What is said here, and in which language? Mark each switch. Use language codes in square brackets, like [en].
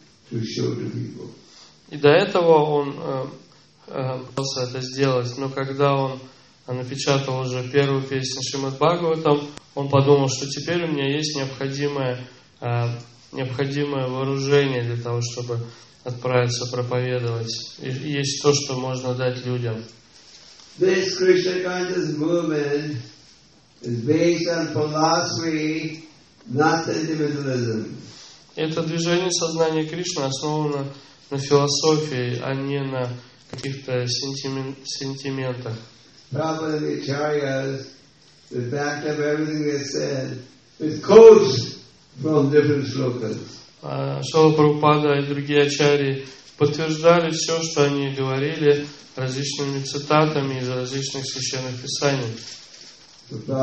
[ru] И до этого он пытался это сделать, но когда он напечатал уже первую песню Шримад Бхагаватам, он подумал, что теперь у меня есть необходимое вооружение для того, чтобы отправиться проповедовать. И есть то, что можно дать людям. [en] This Krishna consciousness movement is based on philosophy, not individualism. [ru] Это движение сознания Кришны основано на философии, а не на каких-то сентиментах. [en] Prabhupada and the Acharyas, they backed up everything they said with quotes from different slokas. [ru] Шрила Прабхупада и другие ачарьи подтверждали все, что они говорили различными цитатами из различных священных писаний.